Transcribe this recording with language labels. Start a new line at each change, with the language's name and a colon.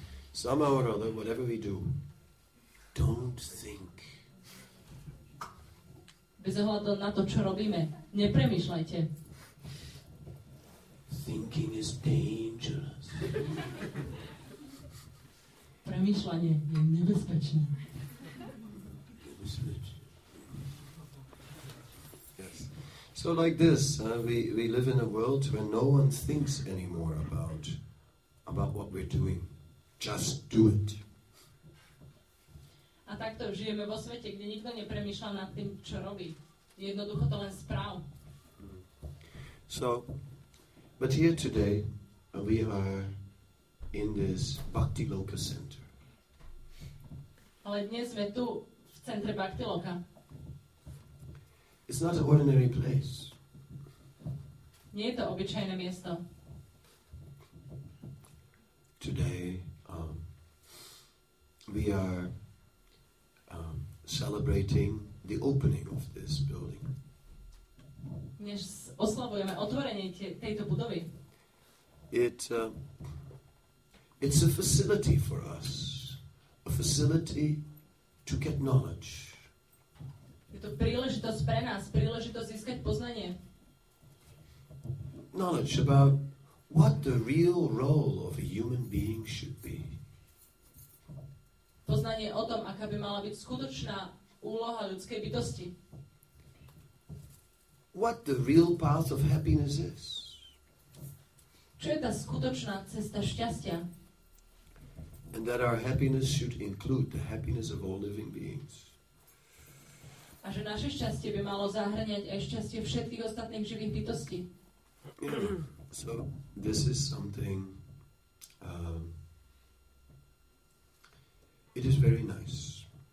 English: Somehow or other, whatever we do, don't think.
Slovak: Bez ohľadu na to, čo robíme, nepremýšľajte.
English: Thinking is dangerous.
Slovak: Premýšľanie je nebezpečné.
English: Yes. So like this, we live in a world where no one thinks anymore about what we're doing. Just do it.
Slovak: A takto žijeme vo svete, kde nikto nepremýšľa nad tým, čo robí. Jednoducho to len správ.
English: So, but here today, we are in this Bhakti Loka center.
Slovak: Ale dnes sme tu v centre Bhakti Loka.
English: It's not an ordinary place.
Slovak: Nie je to obyčajné miesto.
English: Today, we are celebrating the opening of this building.
Slovak: Dnes oslavujeme otvorenie tejto budovy.
English: It's a facility for us, a facility to get knowledge.
Slovak: Je to príležitosť pre nás, príležitosť získať poznanie.
English: Knowledge about what the real role of a human being should be.
Slovak: Poznanie o tom, aká by mala byť skutočná úloha ľudskej bytosti.
English: What the real path of happiness is.
Slovak: Čo je tá skutočná cesta šťastia?
English: And that our happiness should include the happiness of all living beings.
Slovak: A že naše šťastie by malo zahŕňať aj šťastie všetkých ostatných živých bytostí.
English: So this is something it is very nice.